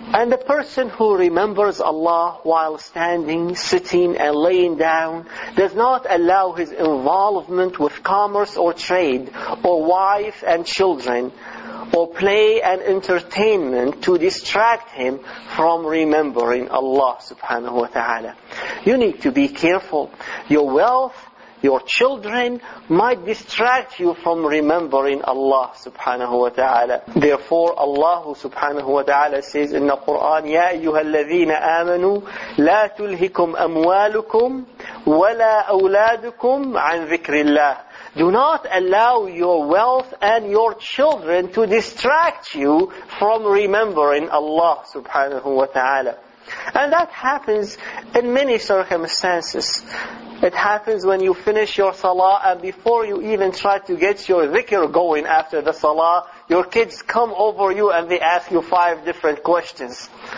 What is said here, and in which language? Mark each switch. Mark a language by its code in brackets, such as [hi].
[en] And the person who remembers Allah while standing, sitting, and laying down does not allow his involvement with commerce or trade, or wife and children, or play and entertainment to distract him from remembering Allah subhanahu wa ta'ala. You need to be careful. Your wealth, your children might distract you from remembering Allah subhanahu wa ta'ala. Therefore, Allah subhanahu wa ta'ala says in the Quran, [ar] يَا أَيُّهَا الَّذِينَ آمَنُوا لَا تُلْهِكُمْ أَمْوَالُكُمْ وَلَا أَوْلَادُكُمْ عَنْ ذِكْرِ اللَّهِ. [en] Do not allow your wealth and your children to distract you from remembering Allah subhanahu wa ta'ala. And that happens in many circumstances. It happens when you finish your salah, and before you even try to get your dhikr going after the salah, your kids come over you and they ask you 5 different questions.